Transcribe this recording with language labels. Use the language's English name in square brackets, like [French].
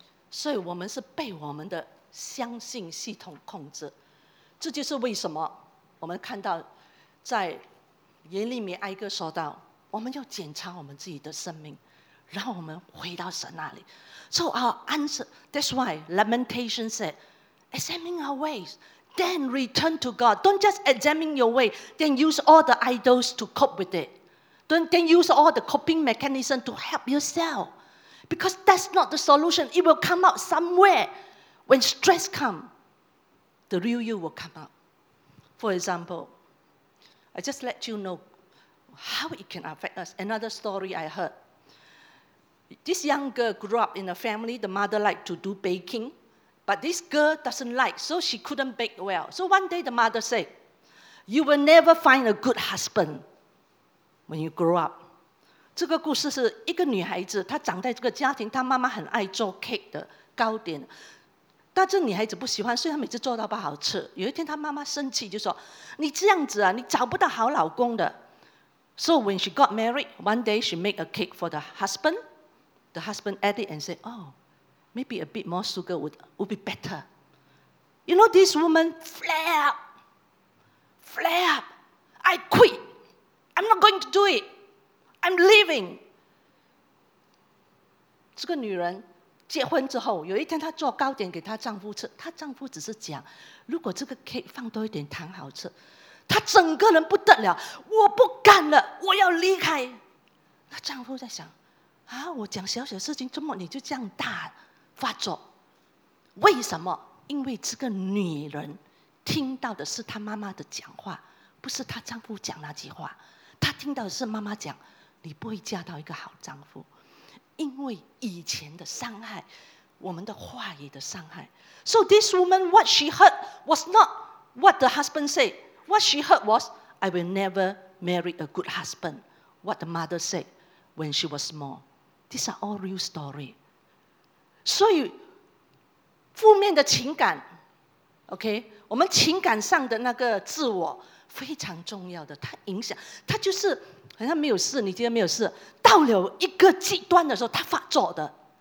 [Chinese] 所以我们是被我们的相信系统控制，这就是为什么我们看到在耶利米哀歌说到，我们要检查我们自己的生命，然后我们回到神那里。 [English] So our answer, that's why Lamentation said, examine our ways, then return to God. Don't just examine your way, then use all the idols to cope with it. Don't Then use all the coping mechanism to help yourself. Because that's not the solution. It will come out somewhere. When stress comes, the real you will come out. For example, I just let you know how it can affect us. Another story I heard. This young girl grew up in a family, the mother liked to do baking, but this girl doesn't like, so she couldn't bake well. So one day the mother said, "You will never find a good husband when you grow up." [Chinese] 这个故事是一个女孩子，她长在这个家庭，她妈妈很爱做 cake 的糕点，但这女孩子不喜欢，所以她每次做到不好吃。有一天她妈妈生气就说，你这样子啊，你找不到好老公的。 [English] So when she got married, one day she made a cake for the husband. The husband ate it and said, "Oh, maybe a bit more sugar would be better." You know, this woman flare up. "I quit. I'm not going to do it. I'm leaving." [Chinese] 这个女人结婚之后，有一天她做糕点给她丈夫吃，她丈夫只是讲，如果这个 cake 放多一点糖好吃，她整个人不得了，我不干了，我要离开。她丈夫在想，啊，我讲小小事情，怎么你就这样大发作？为什么？因为这个女人听到的是她妈妈的讲话，不是她丈夫讲那句话。她听到的是妈妈讲，你不会嫁到一个好丈夫。因为以前的伤害，我们的话语的伤害。 [English] So this woman, what she heard was not what the husband said. What she heard was, "I will never marry a good husband." What the mother said when she was small. These are all real stories. [Chinese] 所以负面的情感 OK, 我们情感上的那个自我非常重要的，它影响，它就是好像没有事，你觉得没有事，到了一个极端的时候，它发作的。